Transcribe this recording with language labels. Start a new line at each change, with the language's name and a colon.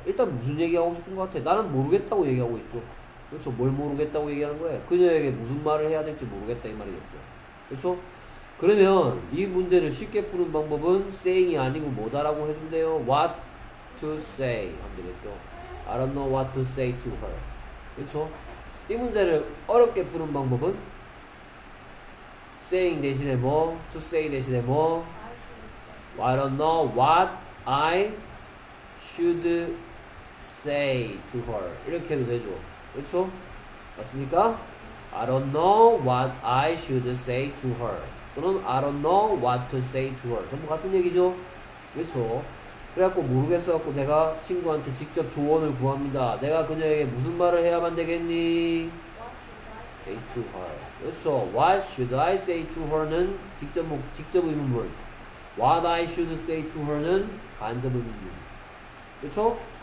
Korean: 일단 무슨 얘기하고 싶은 것 같아? 나는 모르겠다고 얘기하고 있죠. 그렇죠? 뭘 모르겠다고 얘기하는 거야? 그녀에게 무슨 말을 해야 될지 모르겠다 이 말이겠죠. 그렇죠? 그러면 이 문제를 쉽게 푸는 방법은 saying이 아니고 뭐다라고 해준대요.
English: What to say
Korean: 하면 되겠죠.
English: I don't know what to say to her.
Korean: 그렇죠? 이 문제를 어렵게 푸는 방법은 saying 대신에 뭐, to say 대신에 뭐,
English: I don't know what I should say to her.
Korean: 이렇게 해도 되죠. 그렇죠? 맞습니까?
English: I don't know what I should say to her. 또는 I don't know what to say to her.
Korean: 전부 같은 얘기죠. 그렇죠? 그래갖고 모르겠어갖고 내가 친구한테 직접 조언을 구합니다. 내가 그녀에게 무슨 말을 해야만 되겠니?
English: Say to her.
Korean: 그렇죠.
English: What should I say to her는
Korean: 직접 의문문.
English: What I should say to her는
Korean: 간접 의문문. 그렇죠?